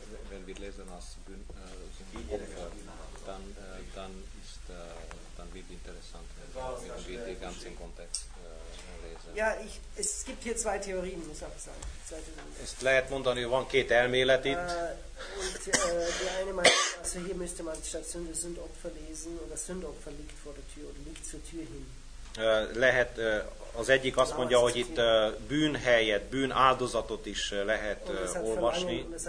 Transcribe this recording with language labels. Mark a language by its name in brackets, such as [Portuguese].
[German] Wenn wir lesen als Opfer, dann wird interessant, wenn wir den ganzen Kontext lesen. Ja, es gibt hier zwei Theorien, muss ich sagen. [Hungarian] Es lehet mondani, van két elmélet itt. [German] Und die eine meint, also hier müsste man statt Sünde Sündopfer lesen, oder Sündopfer liegt vor der Tür, oder liegt zur Tür hin. [Hungarian] Lehet, az egyik azt mondja, hogy itt bűn helyett, bűn áldozatot is lehet olvasni.